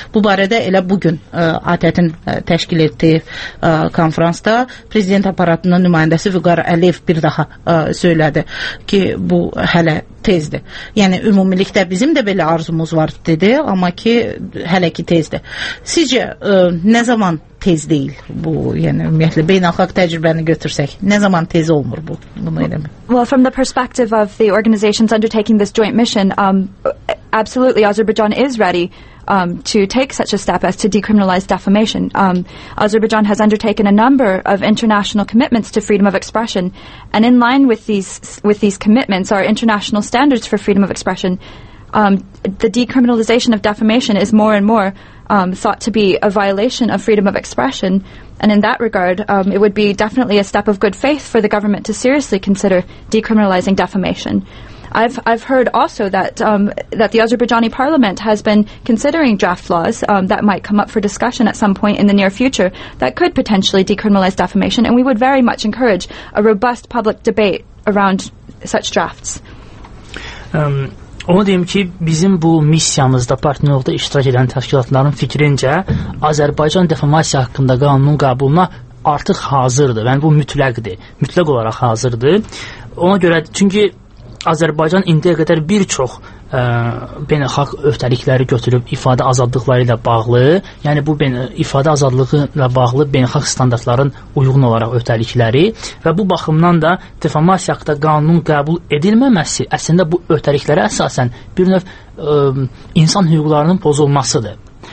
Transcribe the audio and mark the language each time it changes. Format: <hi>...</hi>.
<az>Bu barədə elə bugün ATƏT-in təşkil etdiyi konfransda prezident aparatının nümayəndə Vüqar Əliyev bir daha söylədi ki, bu hələ tezdir. Yəni, ümumilikdə bizim də belə arzumuz var, dedi, amma ki, hələ ki tezdir. Sizcə, nə zaman tez deyil bu, yəni, ümumiyyətlə, beynəlxalq təcrübəni götürsək, nə zaman tez olmur bu, bunu eləmək?</az> <en>Well, from the perspective of the organizations undertaking this joint mission, absolutely, Azerbaijan is ready to take such a step as to decriminalize defamation. Azerbaijan has undertaken a number of international commitments to freedom of expression, and in line with these commitments are international standards for freedom of expression. The decriminalization of defamation is more and more thought to be a violation of freedom of expression, and in that regard, it would be definitely a step of good faith for the government to seriously consider decriminalizing defamation. I've heard also that that the Azerbaijani parliament has been considering draft laws that might come up for discussion at some point in the near future that could potentially decriminalize defamation, and we would very much encourage a robust public debate around such drafts.</en> <az>Onu deyim ki, bizim bu missiyamızda partnerlikdə iştirak edən təşkilatların fikrincə Azərbaycan defamasiya haqqında qanunun qəbuluna artıq hazırdır. Yəni bu mütləqdir. Mütləq olaraq hazırdır. Ona görə çünki Azərbaycan indiyə qədər bir çox beynəlxalq öhdəlikləri götürüb ifadə azadlıqları ilə bağlı, yəni bu ifadə azadlığı ilə bağlı beynəlxalq standartların uyğun olaraq öhdəlikləri və bu baxımdan da defamasiya haqqında qanunun qəbul edilməməsi əslində bu öhdəliklərə əsasən bir növ insan hüquqlarının pozulmasıdır.</az>